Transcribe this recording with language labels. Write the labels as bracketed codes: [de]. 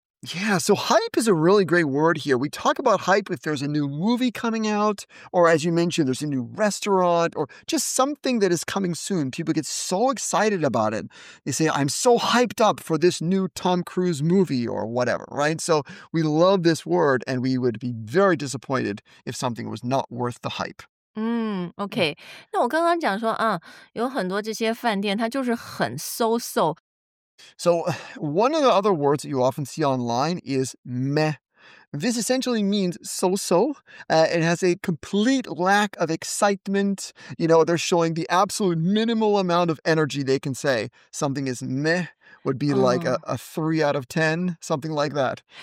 [en] Yeah, so hype is a really great word here. We talk about hype if there's a new movie coming out, or as you mentioned, there's a new restaurant, or just something that is coming soon. People get so excited about it. They say, I'm so hyped up for this new Tom Cruise movie or whatever, right? So we love this word, and we would be very disappointed if something was not worth the hype. OK. [zh] 那我刚刚讲说，有很多这些饭店，它就是很 so-so. [en] So one of the other words that you often see online is meh. This essentially means so-so. It has a complete lack of excitement. You know, they're showing the absolute minimal amount of energy they can say. Something is meh would be like a 3 out of 10, something like that.